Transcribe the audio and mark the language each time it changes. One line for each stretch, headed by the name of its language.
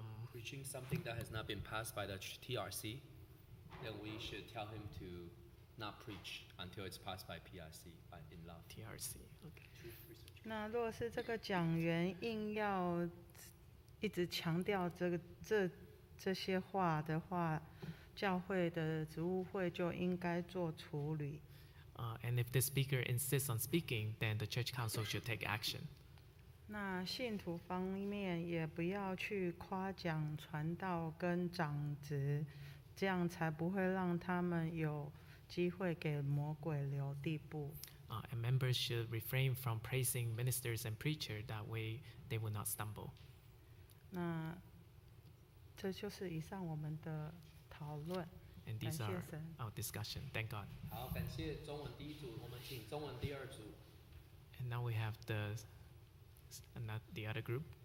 English: preaching something that has not been passed by the TRC, then we should tell him to not preach until it's passed by PRC, but in love. TRC. Okay.
Chinese: 那若是这个讲员硬要一直强调这些话的话，教会的职务会就应该做处理。
English: And if the speaker insists on speaking, then the church council should take action.
Chinese: 那信徒方面也不要去夸奖传道跟长职，这样才不会让他们有机会给魔鬼留地步。
English: And members should refrain from praising ministers and preachers, that way they will not stumble.
Chinese: 那这就是以上我们的讨论。
English: And these are our discussion. Thank God.
Chinese: 好，感谢中文第一组，我们请中文第二组。
English: And now we have the other group.